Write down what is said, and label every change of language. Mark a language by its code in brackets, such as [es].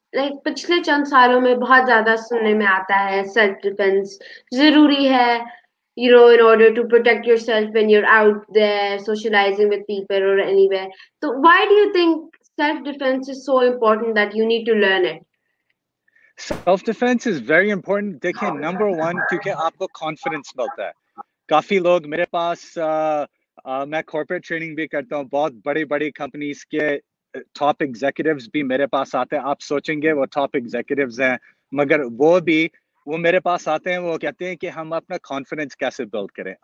[hi] पिछले चंद सालों में बहुत ज्यादा सुनने में आता है सेल्फ डिफेंस जरूरी है, [en] You know, in order to protect yourself when you are out there socialising with people और anywhere. तो why do you think self defence is so important that you need to learn it? Self-defense is very important. [hi] देखिए, [en] number one, [hi] क्योंकि आपको confidence मिलता है. काफी लोग मेरे पास, मैं corporate training भी करता हूँ, बहुत बड़ी बड़ी companies के top executives भी मेरे पास आते हैं. आप सोचेंगे वो top executives हैं, मगर वो मेरे पास आते हैं, वो कहते हैं कि हम अपना confidence कैसे build करें.